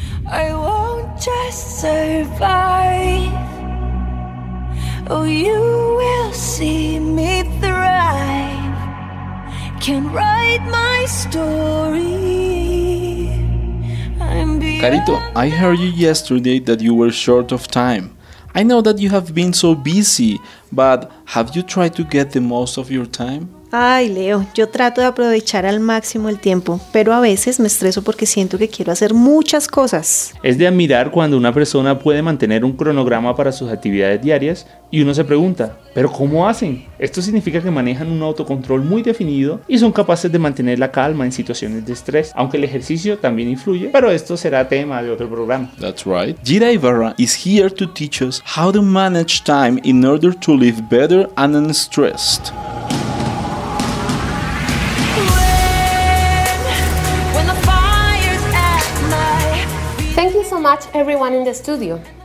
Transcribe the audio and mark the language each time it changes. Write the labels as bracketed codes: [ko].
[en] I won't just survive. Oh, you will see me thrive. Can write my story. I'm beyond. Carito, I heard you yesterday that you were short of time. I know that you have been so busy, but have you tried to get the most of your time? [es] Ay, Leo, yo trato de aprovechar al máximo el tiempo, pero a veces me estreso porque siento que quiero hacer muchas cosas. Es de admirar cuando una persona puede mantener un cronograma para sus actividades diarias y uno se pregunta, ¿pero cómo hacen? Esto significa que manejan un autocontrol muy definido y son capaces de mantener la calma en situaciones de estrés, aunque el ejercicio también influye, pero esto será tema de otro programa. [en] That's right. Gira Ibarra is here to teach us how to manage time in order to live better and unstressed. Much everyone in the studio.